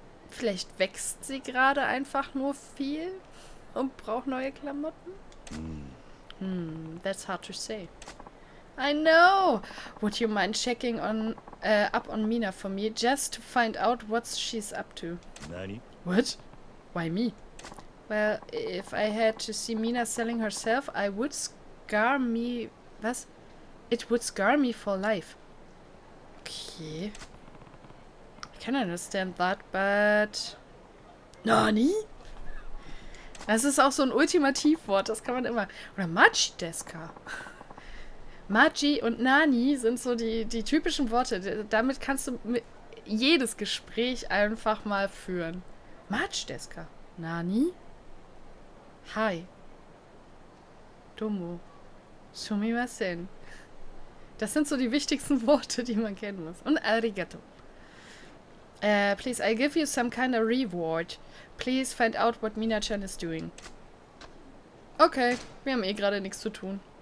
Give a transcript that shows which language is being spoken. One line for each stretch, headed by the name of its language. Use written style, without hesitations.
German: Vielleicht wächst sie gerade einfach nur viel und braucht neue Klamotten?
English: That's hard to say. I know! Would you mind checking on up on Mina for me just to find out what she's up to?
Japanese: Nani?
English: What? Why me? Well, if I had to see Mina selling herself, I would scar me...
German: Was?
English: It would scar me for life. Okay. I can understand that, but...
Japanese: Nani?
German: Das ist auch so ein Ultimativwort, das kann man immer... Oder Machi-Deska. Machi und Nani sind so die typischen Worte. Damit kannst du jedes Gespräch einfach mal führen.
Japanese: Machi-Deska. Nani? Hi. Domo. Sumimasen.
German: Das sind so die wichtigsten Worte, die man kennen muss. Und Arigato.
English: Please, I give you some kind of reward. Please find out what Mina-chan is doing.
German: Okay, wir haben eh gerade nichts zu tun.